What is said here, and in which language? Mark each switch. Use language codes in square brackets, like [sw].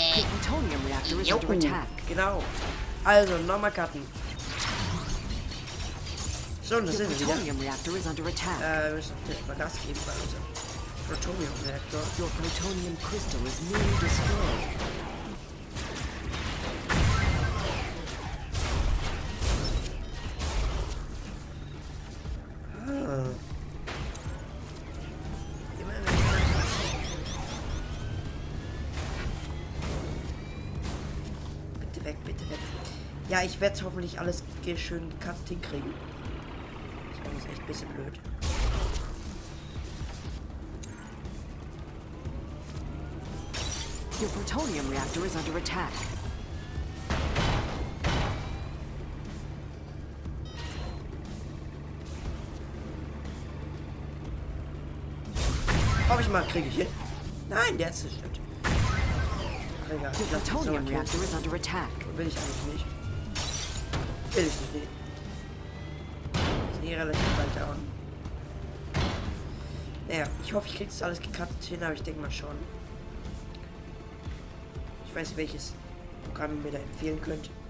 [de] Plutonium Reactor ist [en] under attack. [de] Genau. Also, nochmal cutten. So, und das sind wir wieder. Plutonium-Reaktor ist unter Attack. Wir müssen natürlich mal Gas geben bei unserem Plutonium-Reaktor. [en] Your plutonium crystal is nearly destroyed. [de] Bitte weg. Ja, ich werde es hoffentlich alles schön gekackt hinkriegen. Das ist echt ein bisschen blöd. [en] Your plutonium reactor is under attack. [de] Hab ich mal, kriege ich hin? Nein, der ist zerstört. [en] Your plutonium reactor is under attack. [de] Will ich eigentlich nicht. Will ich nicht. Relativ weit down. Naja, ich hoffe, ich kriege das alles gecuttet hin, aber ich denke mal schon. Ich weiß, welches Programm mir da empfehlen könnt.